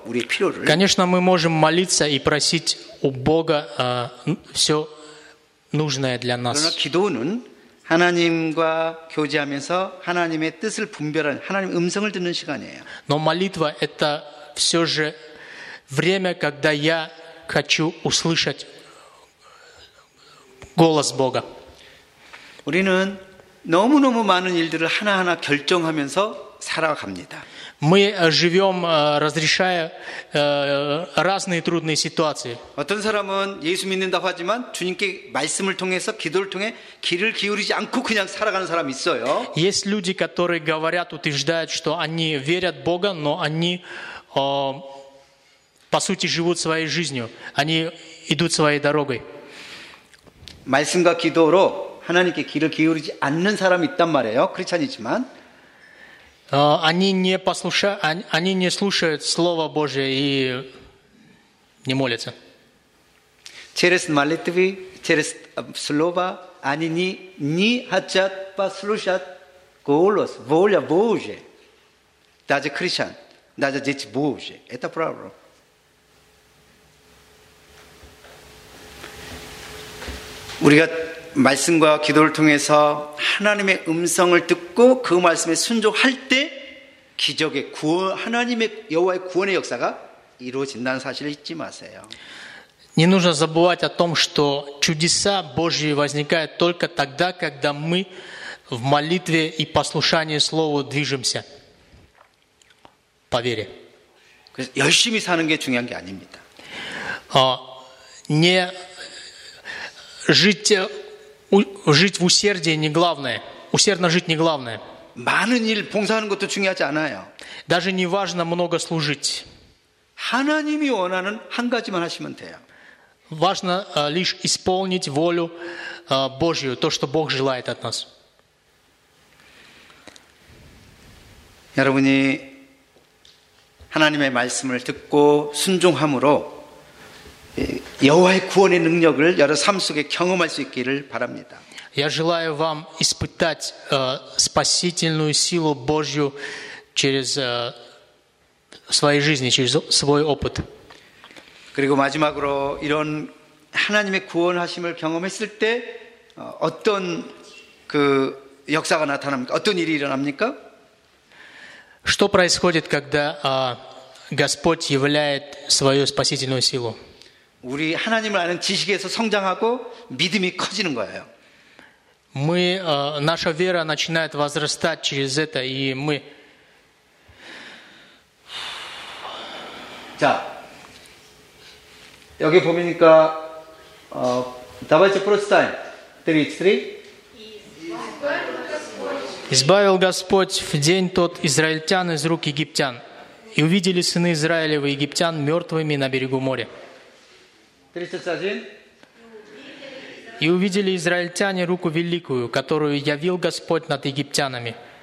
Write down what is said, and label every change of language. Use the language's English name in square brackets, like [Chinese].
[Korean] 우리의 필요를. [Russian] Конечно, мы можем молиться и просить у Бога все нужное для нас. [Korean] 그러나 기도는 하나님과 교제하면서 하나님의 뜻을 분별하는 하나님 음성을 듣는 시간이에요. [Russian] Но молитва это все же время, когда я хочу услышать голос Бога. [Korean] 우리는 너무너무 많은 일들을 하나하나 결정하면서 살아갑니다. [Russian] Мы живем, разрешая разные трудные ситуации. [Korean] 어떤 사람은 예수 믿는다고 하지만 주님께 말씀을 통해서 기도를 통해 귀를 기울이지 않고 그냥 살아가는 사람이 있어요. [Russian] Есть люди, которые говорят, утверждают, что они верят в Бога, но они по сути живут своей жизнью. Они идут своей дорогой. [Korean] 말씀과 기도로 하나님께 귀를 기울이지 않는 사람이 있단 말이에요. 크리스찬이지만 [Russian] Они не слушают Слово Божие и не молятся. Через молитвы, через Слово они не хотят послушать голос, воля Божия. Даже христиан, даже дети Божьи. Это правда. Мы [Korean] 말씀과 기도를 통해서 하나님의 음성을 듣고 그 말씀에 순종할 때 기적의 구원, 하나님의 여호와의 구원의 역사가 이루어진다는 사실을 잊지 마세요. [Russian] Не нужно забывать о том, что чудеса Божьи возникают только тогда, когда мы в молитве и послушании Слову движемся по вере. [Korean] 그래서 열심히 사는 게 중요한 게 아닙니다. [Russian] не жить жить в усердии не главное. Усердно жить не главное. [Korean] 많은 일 봉사하는 것도 중요하지 않아요. [Russian] Даже не важно много служить. [Korean] 하나님이 원하는 한 가지만 하시면 돼요. [Russian] Важно лишь исполнить волю Божью, то, что Бог желает от нас. [Korean] 여러분이 하나님의 말씀을 듣고 순종함으로 여호와의 구원의 능력을 여러 삶 속에 경험할 수 있기를 바랍니다. [Russian] Я желаю вам испытать спасительную силу Божью через своей жизни, через свой опыт. [Korean] 그리고 마지막으로 이런 하나님의 구원하심을 경험했을 때 어떤 그 역사가 나타납니까? 어떤 일이 일어납니까? [Russian] Что происходит, когда Господь являет свою спасительную силу? [Korean] 우리 하나님을 아는 지식에서 성장하고 믿음이 커지는 거예요. [Russian] Мы, наша вера начинает возрастать через это, и мы... [Korean] 자, 여기 보니까 [Russian] давайте прочитаем. 33. Избавил Господь в день тот израильтян из рук египтян, и увидели сыны Израилевы египтян мертвыми на берегу моря. 31. И увидели израильтяне руку великую, которую явил Господь над египтянами.